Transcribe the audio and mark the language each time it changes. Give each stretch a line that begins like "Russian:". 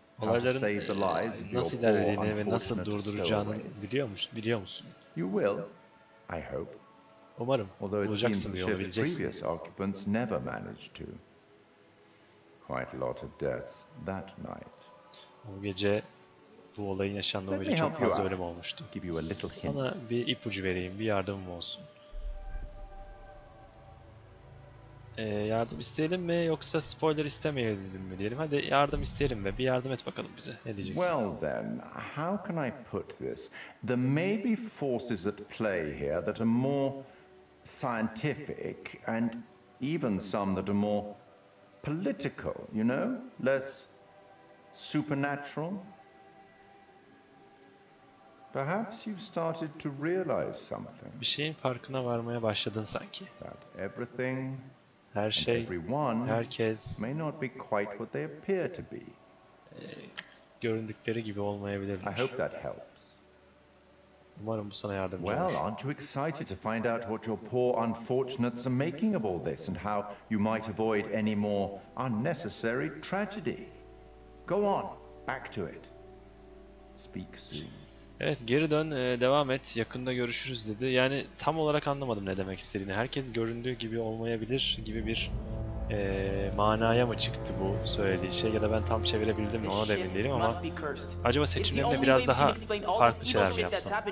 Turkish: Olayların nasıl ilerlediğini ve nasıl durduracağını biliyor musun?
English: You will, I hope.
Turkish: Umarım. Bulacaksın bir yolu, bileceksin.
English: Previous occupants never managed to. Quite a lot of deaths that night.
Turkish: O gece bu olayın yaşandığı gece çok fazla ölüm olmuştu. Sana bir ipucu vereyim, bir yardımım olsun. Yardım isteyelim mi yoksa spoiler istemeyelim mi diyelim. Hadi yardım isteyelim ve bir yardım et bakalım bize. Ne diyeceksin?
English: Well then, how can I put this? There may be forces at play here that are more scientific and even some that are more political, you know? Less supernatural. Perhaps you've started to realize something.
Turkish: Bir şeyin farkına varmaya başladın sanki.
English: That everything,
Turkish: her şey, herkes
English: may not be quite what they appear to be.
Turkish: Göründükleri gibi olmayabilir.
English: I hope that helps.
Turkish: Umarım bu sana yardımcı olur.
English: Well, aren't you excited to find out what your poor unfortunates are making of all this and how you might avoid any more unnecessary tragedy? Go on, back to it. Speak soon.
Turkish: Evet, geri dön, devam et, yakında görüşürüz dedi. Yani tam olarak anlamadım ne demek istediğini. Herkes göründüğü gibi olmayabilir gibi bir manaya mı çıktı bu söylediği şey? Ya da ben tam çevirebildim mi ona da emin değilim ama acaba seçimlerimle biraz daha farklı şeyler mi yapsam?